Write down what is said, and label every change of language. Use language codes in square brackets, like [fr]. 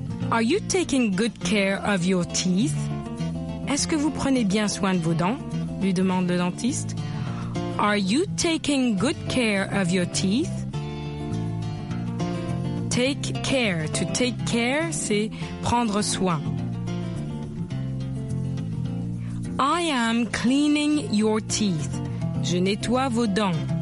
[en] Are you taking good care of your teeth? [fr] Est-ce que vous prenez bien soin de vos dents? Lui demande le dentiste. [en] Are you taking good care of your teeth? Take care. To take care, [fr] c'est prendre soin. [en] I am cleaning your teeth. [fr] Je nettoie vos dents.